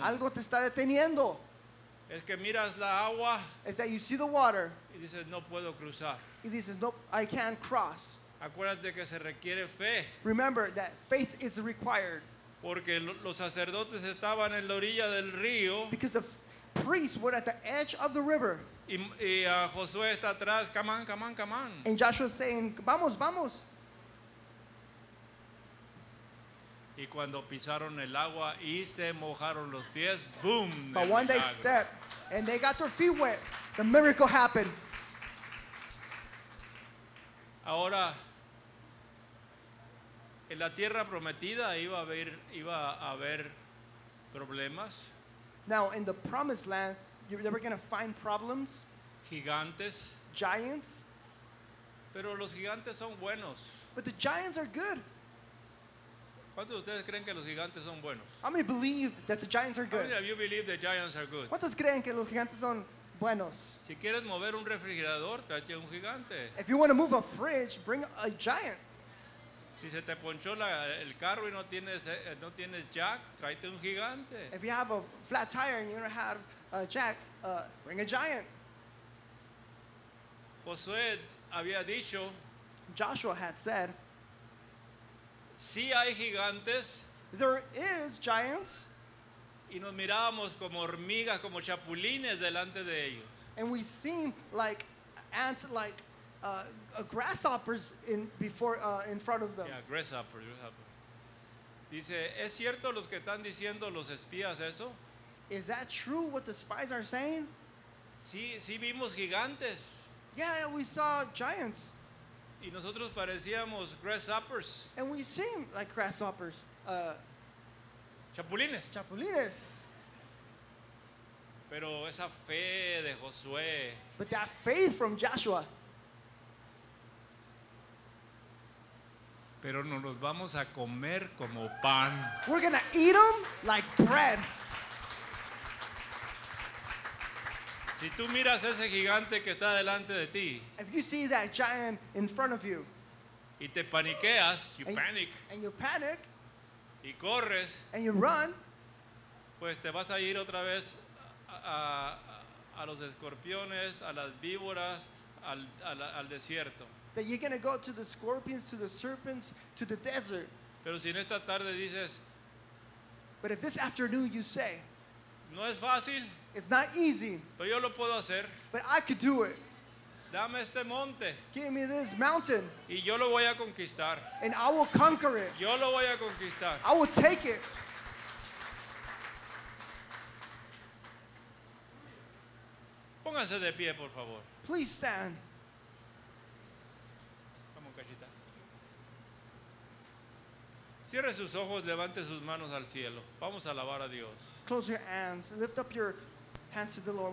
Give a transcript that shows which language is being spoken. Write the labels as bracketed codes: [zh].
[es] Algo te está deteniendo. Es que miras la agua. [en] Is that you see the water. [es] Y dices, no puedo cruzar. Y dices, no, [en] I can't cross. [es] Acuérdate que se requiere fe. [en] Remember that faith is required. [es] Porque los sacerdotes estaban en la orilla del río. [en] Because the priests were at the edge of the river. [es] Y Josué está atrás, [en] come on, come on, come on. And Joshua saying, [es] vamos, vamos. Y cuando pisaron el agua y se mojaron los pies, boom. [en] But when they stepped and they got their feet wet, the miracle happened. [es] Ahora en la tierra prometida iba a haber problemas. [en] Now in the promised land, you're never going to find problems. [es] Gigantes. [en] Giants. [es] Pero los gigantes son buenos. [en] But the giants are good. [es] ¿Cuántos de ustedes creen que los gigantes son buenos? [en] How many believe that the giants are good? How many of you believe the giants are good? [es] ¿Cuántos creen que los gigantes son buenos? Si quieres mover un refrigerador, trae un gigante. [en] If you want to move a fridge, bring a giant. [es] Si se te ponchó el carro y no tienes jack, tráete un gigante. [en] If you have a flat tire and you don't have a jack, bring a giant. [es] Josué había dicho, [en] Joshua had said, [es] sí hay gigantes. [en] There is giants. [es] Y nos mirábamos como hormigas, como chapulines delante de ellos. [en] And we seem like ants, like grasshoppers in front of them. Yeah, grasshopper. [es] Dice, ¿es cierto lo que están diciendo los espías eso? [en] Is that true what the spies are saying? [es] Sí, vimos gigantes. [en] Yeah, we saw giants. [es] Y nosotros parecíamos grasshoppers. [en] And we seem like grasshoppers. [es] Chapulines. Pero esa fe de Josué. [en] But that faith from Joshua. [es] Pero nos los vamos a comer como pan. [en] We're gonna eat them like bread. [es] Si tú miras ese gigante que está delante de ti. [en] If you see that giant in front of you. [es] Y te paniqueas, [en] you panic. And you panic. [es] Y corres. [en] And you run. [es] Pues te vas a ir otra vez a los escorpiones, a las víboras, al desierto. [en] That you're going to go to the scorpions, to the serpents, to the desert. [es] Pero si en esta tarde dices, [en] but if this afternoon you say, [es] no es fácil, [en] it's not easy, [es] pero yo lo puedo hacer, [en] but I could do it. [es] Dame este monte, [en] give me this mountain, [es] y yo lo voy a conquistar, [en] and I will conquer it. [es] Yo lo voy a conquistar. [en] I will take it. [es] Pónganse de pie, por favor. [en] Please stand. [es] Cierre sus ojos, levante sus manos al cielo. Vamos a alabar a Dios. [en] Close your hands, lift up your hands to the Lord.